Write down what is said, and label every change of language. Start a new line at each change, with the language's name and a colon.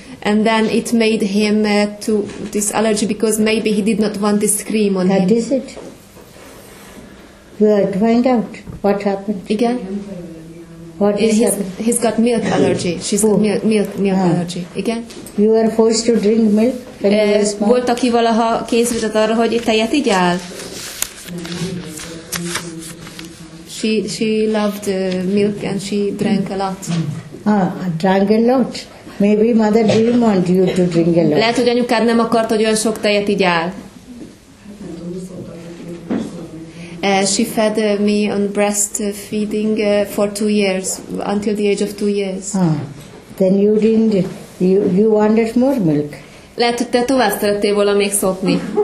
English: And then it made him to this allergy because maybe he did not want this cream on that him. That is it. We'll find out what happened. Again? What is happened? He's got milk allergy. She's got milk allergy. Again? You were forced to drink milk when you were small?
Hungarian: Volt, aki valaha készített arra, hogy tejet igyál?
English: She loved milk and she drank a lot. Drank a lot. Maybe mother didn't want you to drink a lot.
Hungarian: Lehet, hogy anyukád nem akart, hogy olyan sok tejet igyál.
English: She fed me on breastfeeding for 2 years, until the age of 2 years. Then you didn't, you wanted more milk.
Hungarian: Lehet, hogy te tovább szerettél volna még szopni.